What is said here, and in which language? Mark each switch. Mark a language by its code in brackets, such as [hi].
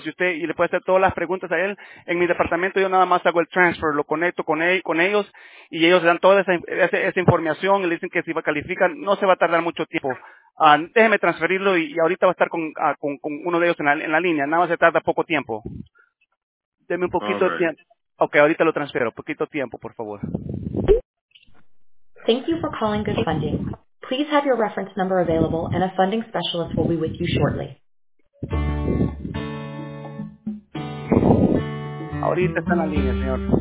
[es] Si usted, y le puede hacer todas las preguntas a él, en mi departamento yo nada más hago el transfer, lo conecto con ellos, y ellos dan toda esa información, y le dicen que si califican, no se va a tardar mucho tiempo. Déjeme transferirlo y ahorita va a estar con uno de ellos en la línea, nada más se tarda poco tiempo. Deme un poquito de tiempo. Ok, ahorita lo transfiero, poquito tiempo, por favor. [en] Thank you for calling Good Funding. Please have your reference number available and a funding specialist will be with you shortly. [es] Ahorita está en la línea, señor.